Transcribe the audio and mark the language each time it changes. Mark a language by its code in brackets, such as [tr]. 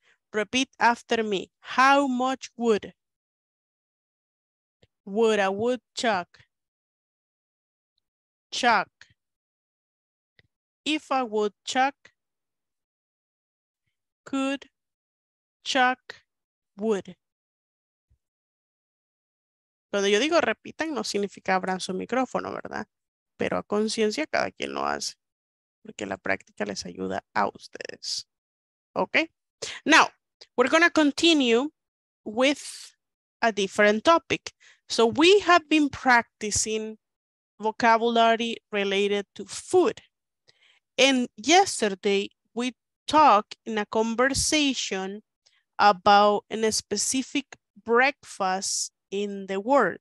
[en] Repeat after me. How much wood would a woodchuck chuck if a woodchuck could chuck wood? [es] Cuando yo digo repitan, no significa abran su micrófono, ¿verdad? Pero a conciencia cada quien lo hace, porque la práctica les ayuda a ustedes. Okay? [en] Now, we're going to continue with a different topic. So we have been practicing vocabulary related to food. And yesterday we talked in a conversation about a specific breakfast in the world.